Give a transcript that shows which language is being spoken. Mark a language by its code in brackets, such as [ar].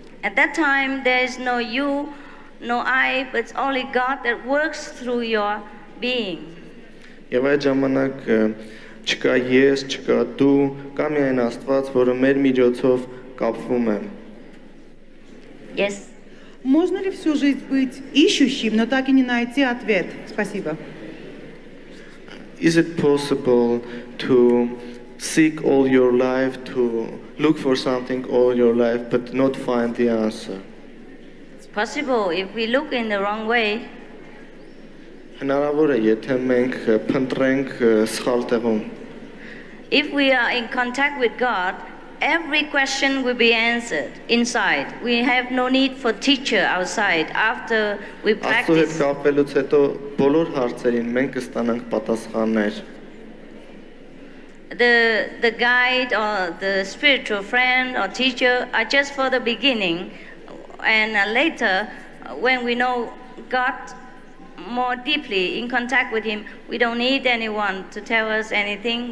[en] At that time, there is no you, no I, but it's only God that works through your being. [hy] Եվ այդ ժամանակ չկա ես, չկա դու, կա միայն Աստված, որը մեր միջոցով կապվում է. [en] Yes. [ru] Можно ли всю жизнь быть ищущим, но так и не найти ответ? Спасибо. [en] Is it possible to seek all your life, to look for something all your life, but not find the answer? It's possible if we look in the wrong way. [hy] Հնարավոր է, եթե մենք փնտրենք սխալ տեղում. [en] If we are in contact with God, every question will be answered inside. We have no need for teacher outside. After we practice. [hy] Աստուհի կապելուց հետո բոլոր հարցերին մենք կստանանք պատասխաններ. [en] The guide or the spiritual friend or teacher are just for the beginning, and later, when we know God more deeply, in contact with Him, we don't need anyone to tell us anything.